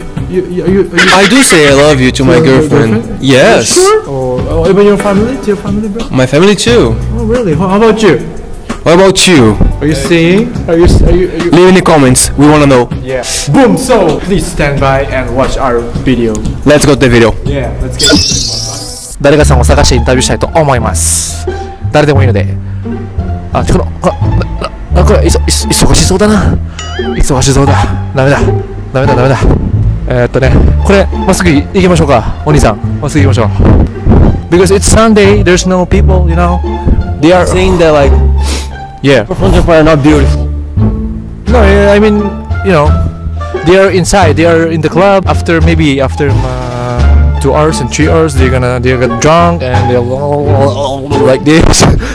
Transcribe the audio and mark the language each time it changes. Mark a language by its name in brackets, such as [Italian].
[English] I do say I love you to my girlfriend. Girlfriend? Yes. Sure? Or even your family? To your family, bro? My family too. Oh really? How about you? What about you? Are you seeing? Are you? Leave in the comments. We wanna know. Yeah. Boom. So please stand by and watch our video. Let's go to the video. Yeah. Let's get. [Japanese] 誰かさんを探してインタビューしたいと思います。誰でもいいので。あ、この、あ、これ忙しそうだな。忙しそうだ。ダメだ。ダメだ。ダメだ。ね、これまっすぐ行きましょうか。お兄さん、まっすぐ行きましょう。 [English] Because it's Sunday, there's no people, you know. They are saying that like. Yeah. People from Japan are not beautiful. No, I mean, you know, they are inside, they are in the club. After 2 hours and 3 hours, they're gonna get drunk and they'll like this.